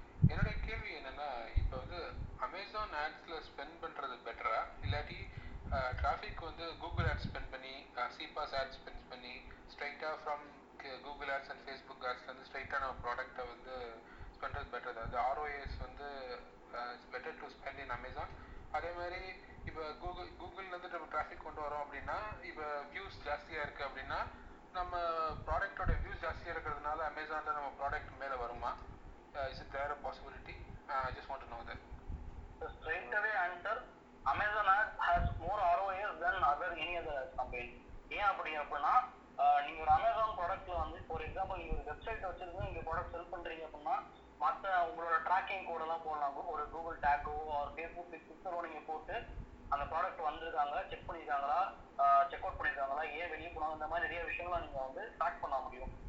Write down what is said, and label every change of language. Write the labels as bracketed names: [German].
[Tamil] என்னோட கேள்வி என்னன்னா, இப்ப வந்து அமேசான் ஆட்ஸ்ல ஸ்பெண்ட் பண்றது பெட்டரா, இல்லாட்டி டிராஃபிக் வந்து கூகுள் ஆட்ஸ் ஸ்பெண்ட் பண்ணி சிபாஸ் ஆட்ஸ் ஸ்பெண்ட் பண்ணி ஸ்ட்ரைட்டா from Google ads and Facebook ஆட்ஸ்ல இருந்து ஸ்ட்ரைட்டா நம்ம ப்ராடக்டை வந்து ஸ்பெண்ட்றது பெட்டர், அது ஆர்ஓஎஸ் வந்து [English] Better to spend in Amazon. [Tamil] அதே மாதிரி இப்ப கூகுள் வந்து நம்ம டிராஃபிக் கொண்டு வரோம் அப்படின்னா, இப்ப வியூஸ் ஜாஸ்தியா இருக்கு அப்படின்னா நம்ம ப்ராடக்டோட வியூஸ் ஜாஸ்தியா இருக்கிறதுனால அமேசான்ல நம்ம ப்ராடக்ட் மேல வருமா? [English] Is it there a possibility? I just want to know that. The straight away answer, Amazon ad has more ROAS than other any other ad campaign. [Tamil] ஏன் அப்படி அப்படின்னா, நீங்க ஒரு அமேசான் ப்ராடக்ட்ல வந்து [English] for example [Tamil] நீங்க ஒரு வெப்சைட் வச்சிருந்து நீங்க ப்ராடக்ட் செல் பண்றீங்க அப்படின்னா, மற்ற உங்களோட ட்ராக்கிங் கோட் எல்லாம் போடலாம், ஒரு கூகுள் டேக்கோ ஒரு ஃபேஸ்புக் பிக்சரோ நீங்க போட்டு அந்த ப்ராடக்ட் வந்திருக்காங்க செக் பண்ணிருக்காங்களா செக் அவுட் பண்ணிருக்காங்களா ஏன் வெளியே போனாங்க இந்த மாதிரி நிறைய விஷயங்கள்லாம் நீங்க வந்து ட்ராக் பண்ண முடியும்.